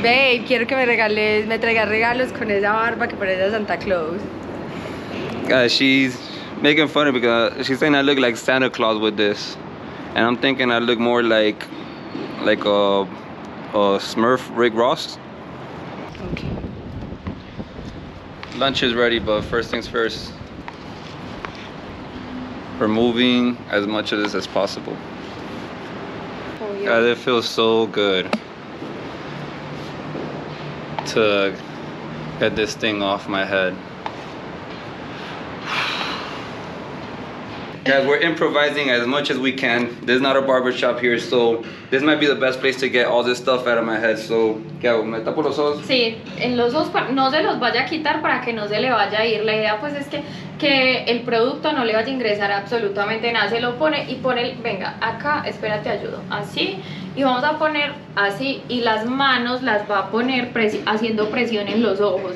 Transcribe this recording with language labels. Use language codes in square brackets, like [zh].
[es] Babe, quiero que me regales, me traigas regalos con esa barba que parece Santa Claus. [en] She's making fun of me because she's saying I look like Santa Claus with this. And I'm thinking I look more like a Smurf Rick Ross. Okay. Lunch is ready, but first things first, removing as much of this as possible. God, it feels so good to get this thing off my head. Guys, we're improvising as much as we can. There's not a barber shop here, so this might be the best place to get all this stuff out of my head. [es] So, ¿qué hago? ¿Me tapo los ojos? Sí, en los ojos, no se los vaya a quitar para que no se le vaya a ir. La idea, pues, es que el producto no le vaya a ingresar absolutamente nada. Se lo pone y pone, venga, acá, espérate, ayudo. Así, y vamos a poner así, y las manos las va a poner haciendo presión en los ojos.